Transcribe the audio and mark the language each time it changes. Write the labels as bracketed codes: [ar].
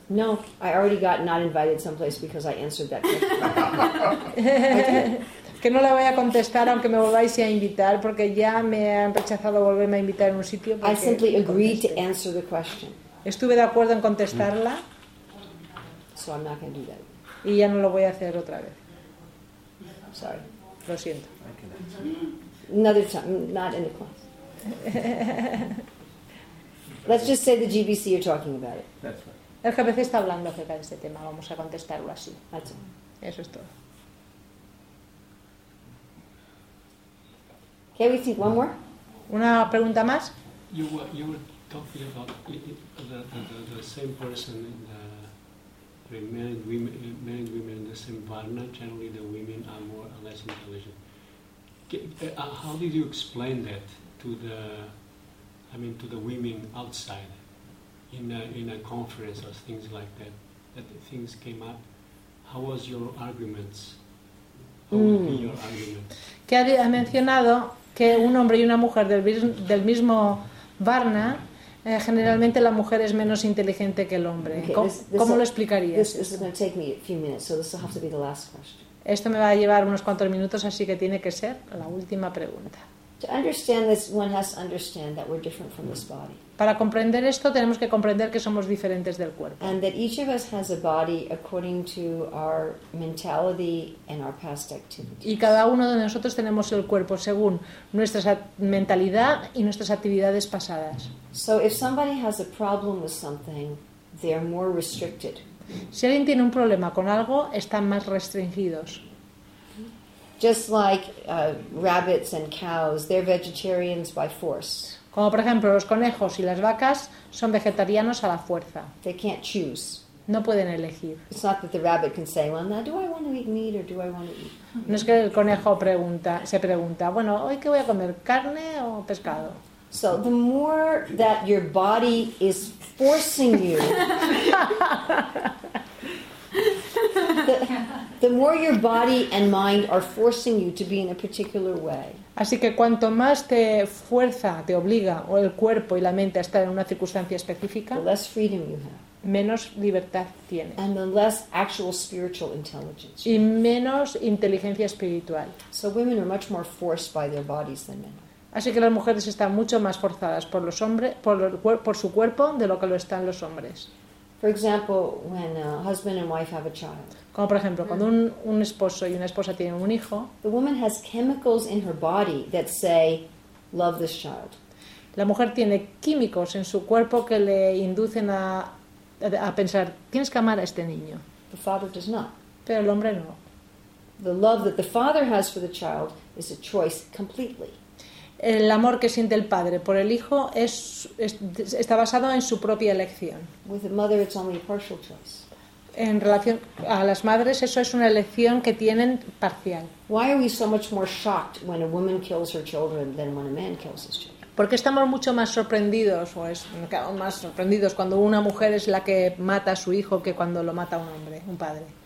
[en] No, I already got not invited someplace because I answered that question. [es] Que no la voy a contestar aunque me volváis a invitar porque ya me han rechazado volverme a invitar en un sitio. [en] I simply agreed to answer the question. [es] Estuve de acuerdo en contestarla. [en] So I'm not going to do that. [es] Y ya no lo voy a hacer otra vez. [en] Sorry. [es] Lo siento. [en] Another time, not in the class. Let's just say the GBC are talking about it. That's right. [es] El GBC está hablando acerca de este tema. Vamos a contestarlo así. Eso es todo. [en] Can we take one more? [es] Una pregunta más. [en] You were talking about the same person in the men and women in the same varna. Generally, the women are more or less intelligent. How did you explain that to the? I mean, to the women outside, in a conference or things like that, that things came up. How was your arguments? How would be your argument? [es] Que ha mencionado que un hombre y una mujer del mismo varna, generalmente la mujer es menos inteligente que el hombre. [en] Okay, [es] ¿Cómo lo explicarías? [en] This is going to take me a few minutes, so this will have to be the last question. [es] Esto me va a llevar unos cuantos minutos, así que tiene que ser la última pregunta. [en] To understand this, one has to understand that we're different from this body. [es] Para comprender esto, tenemos que comprender que somos diferentes del cuerpo. [en] And that each of us has a body according to our mentality and our past activities. [es] Y cada uno de nosotros tenemos el cuerpo según nuestra mentalidad y nuestras actividades pasadas. [en] So if somebody has a problem with something, they're more restricted. [es] Si alguien tiene un problema con algo, están más restringidos. [en] Just like rabbits and cows, they're vegetarians by force. [es] Como por ejemplo los conejos y las vacas son vegetarianos a la fuerza. [en] They can't choose. [es] No pueden elegir. [en] It's not that the rabbit can say, "Well, now, do I want to eat meat or do I want to eat?" [es] No es que el conejo se pregunta, bueno, hoy qué voy a comer, carne o pescado. [en] So the more that your body is forcing you. The more your body and mind are forcing you to be in a particular way. [es] Así que cuanto más te fuerza, te obliga o el cuerpo y la mente a estar en una circunstancia específica, [en] the less freedom you have. [es] Menos libertad tienes. [en] And the less actual spiritual intelligence. [es] Y menos inteligencia espiritual. [en] So women are much more forced by their bodies than men. [es] Así que las mujeres están mucho más forzadas por los hombres, por su cuerpo de lo que lo están los hombres. [en] For example, when a husband and wife have a child. [es] Como por ejemplo, cuando un esposo y una esposa tienen un hijo. [en] The woman has chemicals in her body that say, "Love this child." [es] la mujer tiene químicos en su cuerpo que le inducen a pensar, tienes que amar a este niño. [en] The father does not. [es] Pero el hombre no. [en] The love that the father has for the child is a choice completely. [es] El amor que siente el padre por el hijo está basado en su propia elección. [en] With the mother, it's only a partial choice. [es] En relación a las madres, eso es una elección que tienen parcial. [en] Why are we so much more shocked when a woman kills her children than when a man kills his children? [es] ¿Por qué estamos mucho más sorprendidos cuando una mujer es la que mata a su hijo que cuando lo mata un hombre, un padre?